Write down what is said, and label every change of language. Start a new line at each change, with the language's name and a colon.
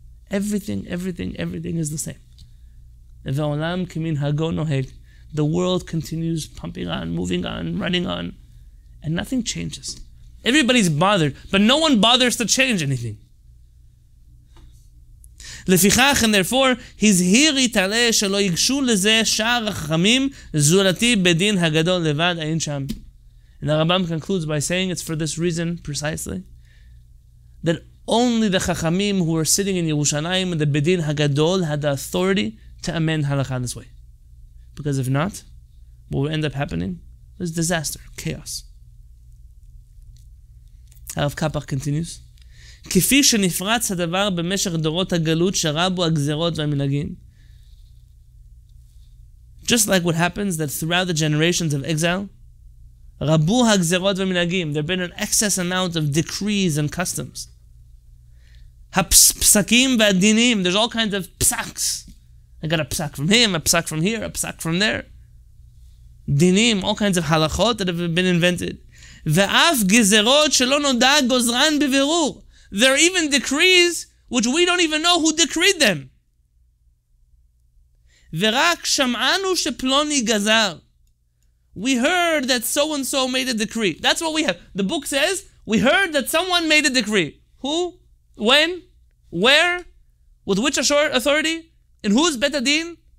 English: Everything is the same.
Hebrew: Ve'olam kimin hago noheg.
English: The world continues pumping on, moving on, running on, and nothing changes. Everybody's bothered, but no one bothers to change anything.
Hebrew: לפיכך,
English: and therefore,
Hebrew: הזהיר יתעלה שלא יגשו לזה שער החכמים זולתי בדין הגדול לבד אין שם.
English: And the Rambam concludes by saying it's for this reason, precisely, that only the Chachamim who were sitting in Yerushalayim and the Bedin HaGadol had the authority to amend Halakha this way. Because if not, what would end up happening is disaster, chaos. Harav Kapach continues,
Hebrew: כפי שנפרץ הדבר במשך דורות הגלות שרבו הגזרות והמנהגים,
English: just like what happens that throughout the generations of exile,
Hebrew: רבו הגזרות ומנהגים.
English: There have been an excess amount of decrees and customs.
Hebrew: הפסקים והדינים.
English: There's all kinds of psaks. I got a psak from him, a psak from here, a psak from there. דינים, all kinds of halachot that have been invented.
Hebrew: ואף גזרות שלא נודע גוזרן בבירור.
English: There are even decrees which we don't even know who decreed them.
Hebrew: ורק שמענו שפלוני גזר.
English: We heard that so-and-so made a decree. That's what we have. The book says, we heard that someone made a decree. Who? When? Where? With which authority? In whose bet adin?